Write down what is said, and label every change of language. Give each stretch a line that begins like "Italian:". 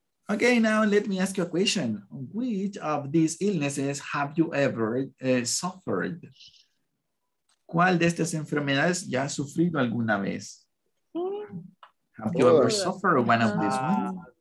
English: Okay, now let me ask you a question. Which of these illnesses have you ever suffered?
Spanish: ¿Cuál de estas enfermedades ya has sufrido alguna vez?
English: Have you ever suffered one of these ones?